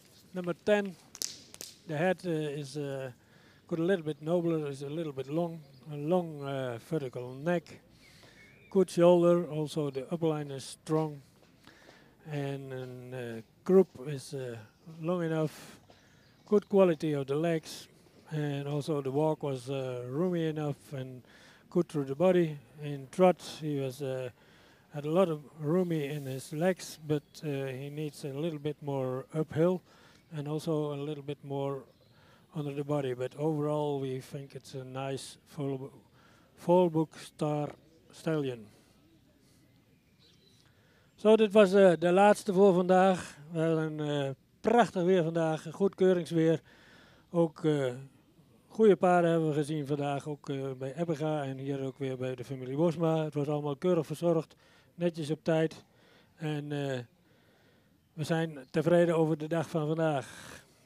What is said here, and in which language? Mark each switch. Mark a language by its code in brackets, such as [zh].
[nl] Nummer 10, de [en] head is a little bit nobler, is a little bit long. [nl] Een [en] long vertical neck, good shoulder, also the upline is strong. [nl] En een [en] croup is long enough. Good quality of the legs, and also the walk was roomy enough and good through the body. In trot, he was had a lot of roomy in his legs, but he needs a little bit more uphill and also a little bit more under the body. But overall, we think it's a nice foal book star stallion. [nl] So, dit was de laatste voor vandaag. Wel een prachtig weer vandaag, goed keuringsweer. Ook goede paarden hebben we gezien vandaag, ook bij Ebbega en hier ook weer bij de familie Bosma. Het was allemaal keurig verzorgd, netjes op tijd. En we zijn tevreden over de dag van vandaag.